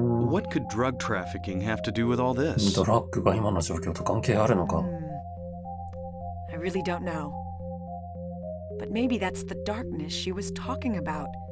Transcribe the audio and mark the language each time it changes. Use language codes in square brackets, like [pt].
[en] What could drug trafficking have to do with all this? [ja] ドラッグが今の状況と関係あるのか? [en] I really don't know. But maybe that's the darkness she was talking about.